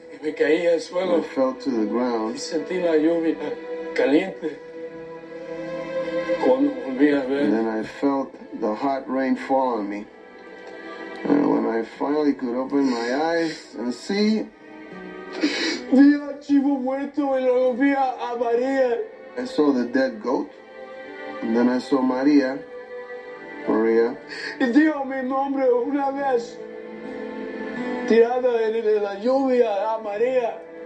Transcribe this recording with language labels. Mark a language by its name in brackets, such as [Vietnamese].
[Spanish] Y me caí al suelo. [English] I fell to the ground. [Spanish] Y sentí la lluvia caliente. Cuando volví a ver. [English] And then I felt the hot rain fall on me. And when I finally could open my eyes and see. [Spanish] Vi a Chivo muerto y luego vi a María. [English] I saw the dead goat, and then I saw María. [Spanish] María. Y dijo mi nombre una vez, tirada en la lluvia a María.